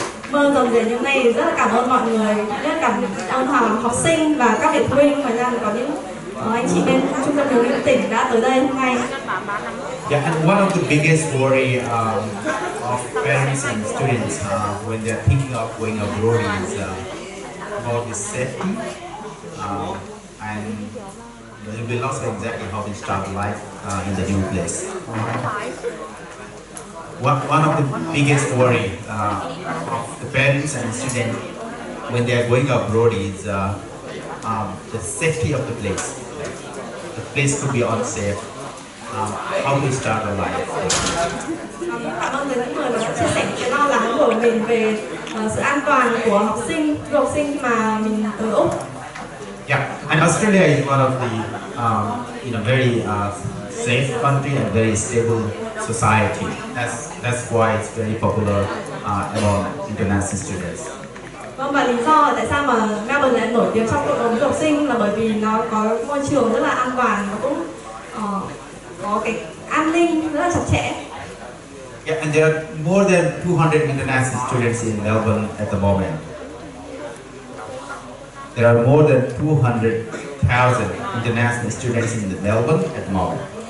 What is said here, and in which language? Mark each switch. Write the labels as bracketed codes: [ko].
[vi] Mơ rồng về những ngày rất là cảm ơn mọi người, rất là cảm ơn hàng học sinh và các vị phụ huynh, và nhân có những anh chị bên trung tâm giáo dục tỉnh đã tới đây hôm nay. [en] Yeah, and one of the biggest worry of parents and students when they're thinking of going abroad is about the safety and they'll be lost exactly how they start life in the new place. One of the biggest worry of the parents and students when they are going abroad is the safety of the place. Like, the place could be unsafe. How to start a life? [vi] Cảm ơn người đã chia sẻ cái lo lắng của mình về sự an toàn của học sinh mà mình tới Úc. [en] Yeah, and Australia is one of the very safe country and very stable society. That's why it's very popular among international students. [vi] Vâng, và lý do tại sao mà Melbourne lại nổi tiếng trong cộng đồng du học sinh là bởi vì nó có môi trường rất là an toàn, nó cũng có cái an ninh rất là chặt chẽ. [en] Yeah, and there are more than 200 international students in Melbourne at the moment. There are more than 200,000 international students in Melbourne at the moment.